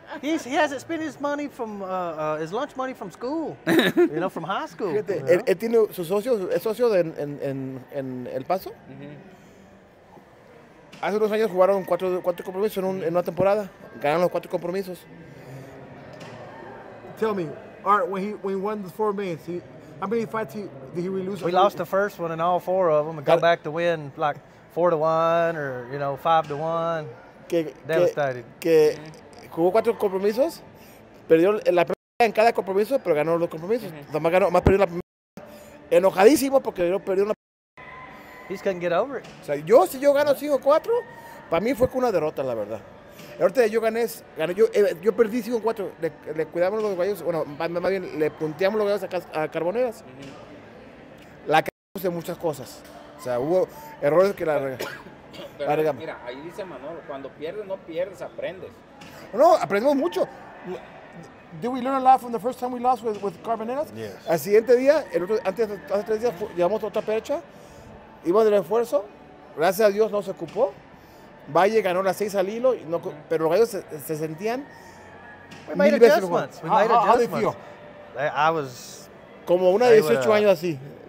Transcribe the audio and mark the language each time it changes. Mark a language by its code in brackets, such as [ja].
[en] He hasn't spent his money from his lunch money from school. You know, from high school. [es] Fíjate, [en] you know? [es] él tiene su socio, es socio de en El Paso. Uh-huh. Hace unos años jugaron cuatro compromisos en una temporada. Ganaron los cuatro compromisos. [en] Tell me. Art, when he won the 4 minutes, how many fights did he lose? We lost the first one in all four of them. Come back to win like 4-1 or, you know, 5-1. Devastated. [es] Que jugó cuatro compromisos, perdió la primera en cada compromiso, pero ganó los compromisos. Mm-hmm. Además perdió la primera. Enojadísimo porque perdió la primera. [en] He just couldn't get over it. [es] O sea, yo si yo gano 5-4, para mí fue con una derrota, la verdad. Ahorita yo gané, yo perdí 5-4, le cuidamos los gallos, bueno, más bien, le punteamos los gallos a Carboneras. Uh-huh. La cagamos en muchas cosas, o sea, hubo errores que la regamos. Mira, ahí dice Manolo, cuando pierdes, no pierdes, aprendes. No, aprendimos mucho. [en] Did we learn a lot from the first time we lost with Carboneras? Yes. [es] Al siguiente día, hace 3 días, llevamos otra percha, íbamos de refuerzo, gracias a Dios no se ocupó. Valle ganó las 6 al hilo, no, mm-hmm. pero los gallos se sentían mil veces mejor. [en] We made adjustments. I was... [es] Como una de 18 años así.